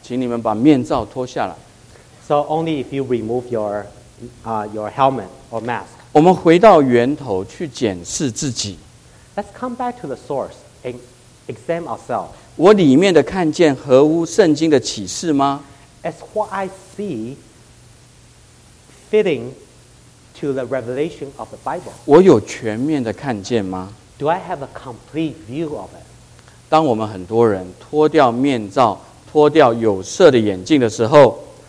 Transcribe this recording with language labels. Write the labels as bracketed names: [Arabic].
[Chinese] 小朋友都知道，请你们把面罩脱下来。 [English] So only if you remove your helmet or mask. [Chinese] 我们回到源头去检视自己。 [English] Let's come back to the source and examine ourselves. [Chinese] 我里面的看见合乎圣经的启示吗？ [English] Is what I see fitting to the revelation of the Bible? [Chinese] 我有全面的看见吗？ [English] Do I have a complete view of it? [Chinese] 当我们很多人脱掉面罩，脱掉有色的眼镜的时候，